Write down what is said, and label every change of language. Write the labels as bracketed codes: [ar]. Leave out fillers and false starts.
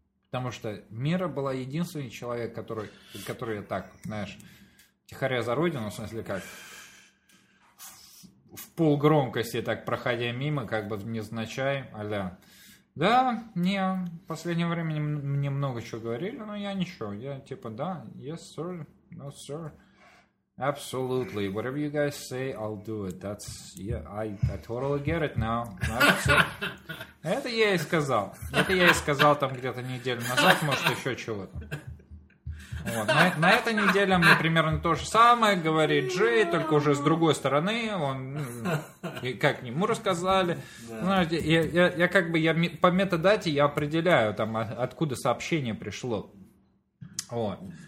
[ru] Потому что Мира была единственный человек, который я так, знаешь, тихаря за родину, в смысле как... В полгромкости, так проходя мимо, как бы невзначай, а-ля... Да, не, в последнее время мне много чего говорили, но я ничего. Я типа, да, [en] yes, sir, no, sir. Absolutely. Whatever you guys say, I'll do it. That's, yeah, I totally get it now. [ru] Это я и сказал. Это я и сказал там где-то неделю назад, может, еще чего-то. Вот. На этой неделе мне примерно то же самое говорит Джей, только уже с другой стороны. Он, и как ему рассказали. Да. Знаете, я как бы я по метадате я определяю, там, откуда сообщение пришло. Вот.